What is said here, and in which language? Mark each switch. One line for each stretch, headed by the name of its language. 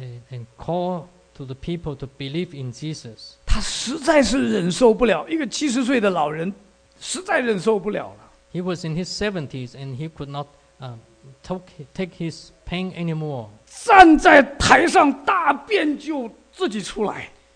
English: And call to the people to believe in Jesus.
Chinese: 他实在是忍受不了，一个七十岁的老人实在忍受不了了。
English: He was in his 70s and he could not take his pain anymore.
Chinese: 站在台上大便就自己出来。